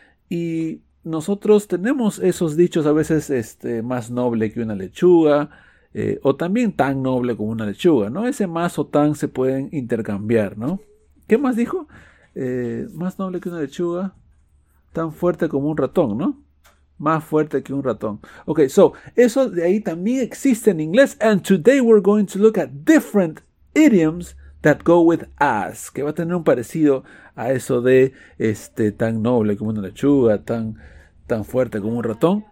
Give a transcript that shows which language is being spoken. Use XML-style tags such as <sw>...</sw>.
<es>Y nosotros tenemos esos dichos a veces más noble que una lechuga, o también tan noble como una lechuga, ¿no? Ese más o tan se pueden intercambiar, ¿no? ¿Qué más dijo? Más noble que una lechuga, tan fuerte como un ratón, ¿no? Más fuerte que un ratón. Ok, so, eso de ahí también existe en inglés.</es> <en>And today we're going to look at different idioms that go with as.</en> <es>Que va a tener un parecido a eso de tan noble como una lechuga, tan fuerte como un ratón.</es>